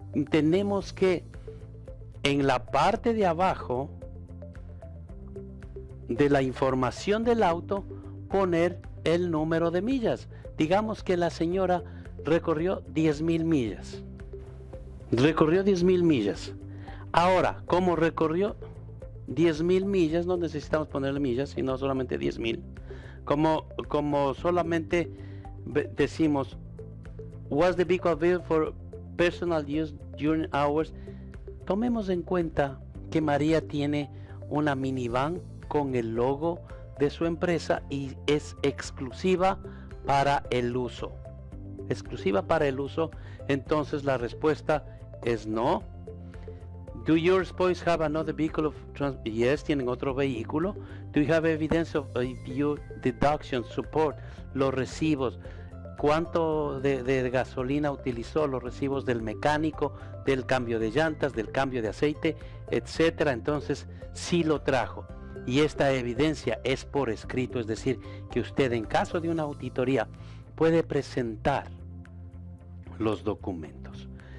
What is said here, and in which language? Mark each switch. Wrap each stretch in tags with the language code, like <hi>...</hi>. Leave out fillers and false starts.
<es>tenemos que en la parte de abajo de la información del auto poner el número de millas. Digamos que la señora recorrió 10.000 millas. Recorrió 10.000 millas. Ahora, como recorrió 10.000 millas, no necesitamos ponerle millas, sino solamente 10.000. Como solamente decimos,</es> <en>was the vehicle available for personal use during hours?</en> <es>Tomemos en cuenta que María tiene una minivan con el logo de su empresa y es exclusiva para el uso. Exclusiva para el uso. Entonces la respuesta es no.</es> <en>Do your spouse have another vehicle of transport?</en> <es>Yes, tienen otro vehículo.</es> <en>Do you have evidence of your deduction support?</en> <es>Los recibos. ¿Cuánto de gasolina utilizó? Los recibos del mecánico, del cambio de llantas, del cambio de aceite, etcétera. Entonces, sí lo trajo. Y esta evidencia es por escrito, es decir, que usted en caso de una auditoría puede presentar los documentos.</es>